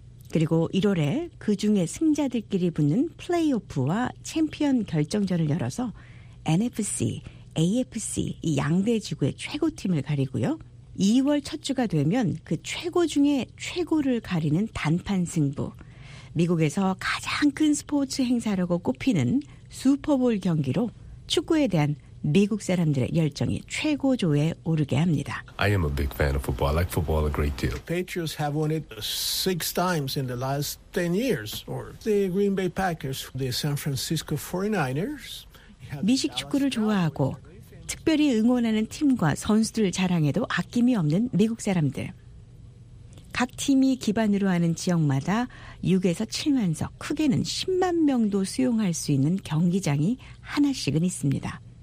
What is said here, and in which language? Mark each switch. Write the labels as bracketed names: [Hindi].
[Korean] 그리고 1월에 그중에 승자들끼리 붙는 플레이오프와 챔피언 결정전을 열어서 NFC, AFC 이 양대 지구의 최고팀을 가리고요. 2월 첫 주가 되면 그 최고 중에 최고를 가리는 단판 승부, 미국에서 가장 큰 스포츠 행사라고 꼽히는 슈퍼볼 경기로 축구에 대한 미국 사람들의 열정이 최고조에 오르게 합니다. [English] I am a big fan of football. I like football a great deal. Patriots have won it 6 times in the last 10 years. Or the Green Bay Packers, the San Francisco 49ers. [Korean] 미식 축구를 좋아하고 특별히 응원하는 팀과 선수들 자랑에도 아낌이 없는 미국 사람들. 각 팀이 기반으로 하는 지역마다 6에서 7만 석, 크게는 10만 명도 수용할 수 있는 경기장이 하나씩은 있습니다.